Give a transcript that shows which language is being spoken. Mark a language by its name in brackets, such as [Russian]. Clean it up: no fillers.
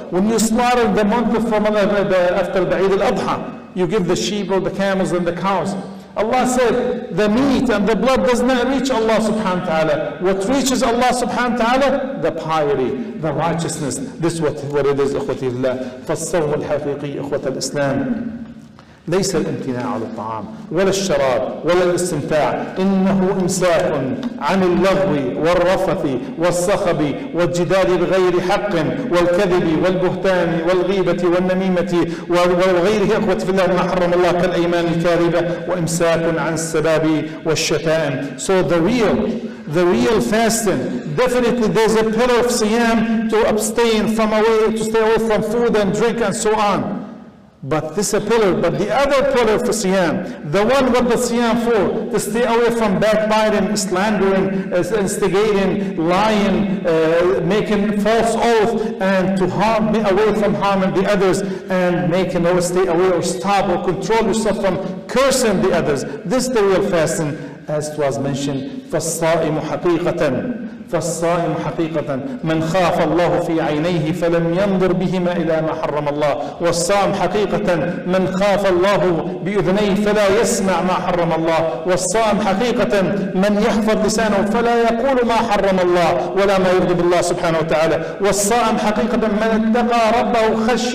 [English] When you slaughter the month of Ramadan after the Eid al-Adha, you give the sheep or the camels and the cows. Allah said, the meat and the blood does not reach Allah subhanahu wa ta'ala. What reaches Allah subhanahu wa ta'ala? The piety, the righteousness. This is what it is, ikhwati Allah. [Arabic] فالصوم الحقيقي إخوات الإسلام. ليس الامتناع على الطعام ولا الشراب ولا الاستمتاع إنه إمساك عن اللغو والرفث والصخب والجدال بغير حق والكذب والبهتان والغيبة والنميمة وغيره أخوة في الله ما حرم الله كالأيمان الكاذبة وإمساك عن السباب والشتائم. [English] So the real fasting, definitely there's a pillar of siyam to abstain from away, to stay away from food and drink and so on. But this is a pillar, but the other pillar for Siyam, the one with the Siyam for, to stay away from backbiting, slandering, instigating, lying, making false oath, and to harm, be away from harming the others, and making or stay away or stop or control yourself from cursing the others. This is the real fasting, as it was mentioned, [Arabic] فالصائم حقيقة. فالصائم حقيقة من خاف الله في عينيه فلم ينظر بهما إلى ما حرم الله والصائم حقيقة من خاف الله بأذنيه فلا يسمع ما حرم الله والصائم حقيقة من يحفظ لسانه فلا يقول ما حرم الله ولا ما يغضب الله سبحانه وتعالى والصائم حقيقة من اتقى ربه